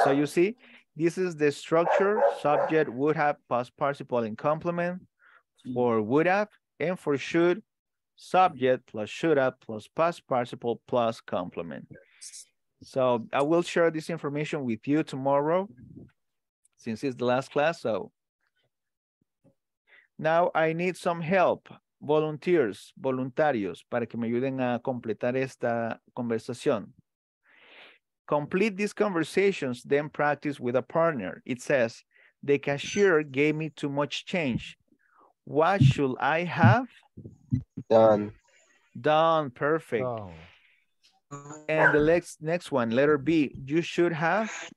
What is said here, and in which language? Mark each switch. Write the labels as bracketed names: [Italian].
[English] So you see, this is the structure. Subject would have, past participle and complement, for would have, and for should, subject plus should have plus past participle plus complement. So I will share this information with you tomorrow, since it's the last class. So now I need some help. [Spanish] Volunteers, voluntarios, para que me ayuden a completar esta conversación. [English] Complete these conversations, then practice with a partner. It says, the cashier gave me too much change. What should I have? Done. Perfect. Oh. And the next one, letter B, you should have?